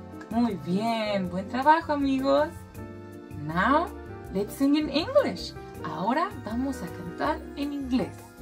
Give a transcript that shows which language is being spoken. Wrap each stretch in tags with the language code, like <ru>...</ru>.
<es>Muy bien, buen trabajo, amigos.</es> <en>Now, let's sing in English.</en> <es>Ahora vamos a cantar en inglés.</es>